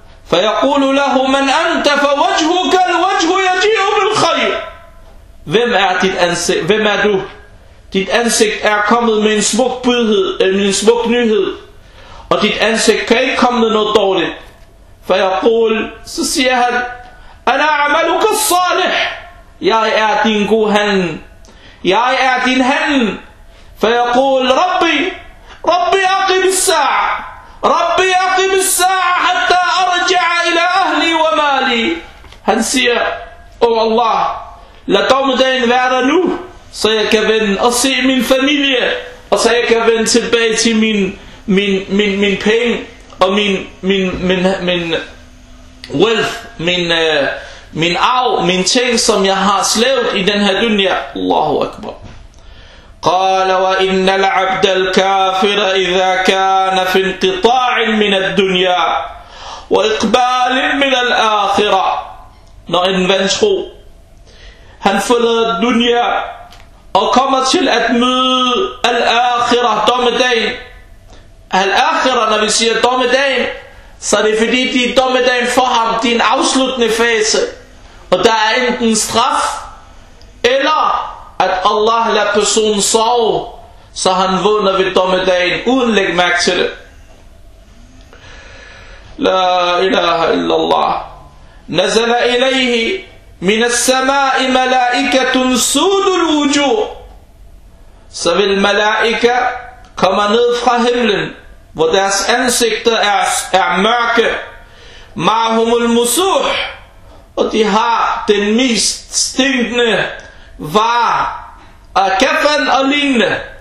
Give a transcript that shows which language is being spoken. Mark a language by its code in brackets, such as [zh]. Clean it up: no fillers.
[ar] فيقول له من أنت فوجهك الوجه يجيء بالخير. [da] Hvem er dit ansigt? Hvem er du? Dit ansigt er kommet med en smuk budhed, en smuk nyhed. Og dit ansigt kan ikke komme med noget dårligt. [ar] فيقول. [da] Så siger han, [ar] أنا عملك الصالح. [da] Jeg er din god hand. Jeg er din hand. [ar] فيقول ربي أقم الساعة. ربي أقم الساعة حتى أرجع إلى أهلي ومالي. [da] Han siger, oh Allah, lad dommedagen være nu, så jeg kan vende og se min familie, og så jeg kan vende tilbage til min penge og min wealth, min arv, min ting, som jeg har slavet i den her dunya. Allahu Akbar. [ar] قال وإن العبد الكافر إذا كان في انقطاع من الدنيا وإقبال من الآخرة. [da] Når en vant tro, han forlader الدنيا og kommer til at møde الآخرة, dommedagen. الآخرة, når vi siger dommedagen, så er det fordi det er dommedagen for ham, det er en afsluttende fase, og der er enten straf eller at Allah lader personen sove, så han vågner ved dommedagen, uden læg mærke til det. La ilaha illallah. [ar] نزل إليه من السماء ملائكة سود الوجوه. [da] Så vil malaika komme ned fra himlen, hvor deres ansigter er mørke. [ar] Ma'humul musuh, [da] og de har den mest stinkende var af kaffen og lignende.